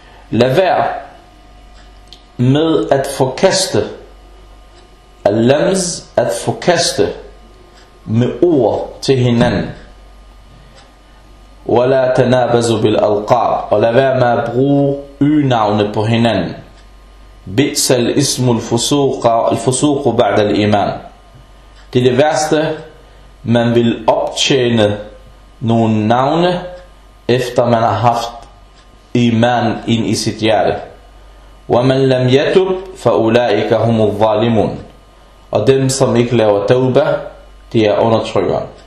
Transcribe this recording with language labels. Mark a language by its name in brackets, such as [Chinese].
[Danish] Lad være med at forkaste al-lams, at forkaste med ord til hinanden. [Arabic] ولا تنابزوا بالالقاب. [Danish] Og lad være med at bruge ø-navne på hinanden. [Arabic] بئس الاسم الفسوق الفسوق بعد الايمان. [Danish] Det er det værste. Man vil optjene nogle navne, efter man har haft iman ind i sit hjerte. [Arabic] وَمَنْ لَمْ يَتُبْ فَأُولَٰئِكَ هُمُ الظَّالِمُونَ. [Danish] Og dem, som ikke laver tauba, de er undertrykkeren.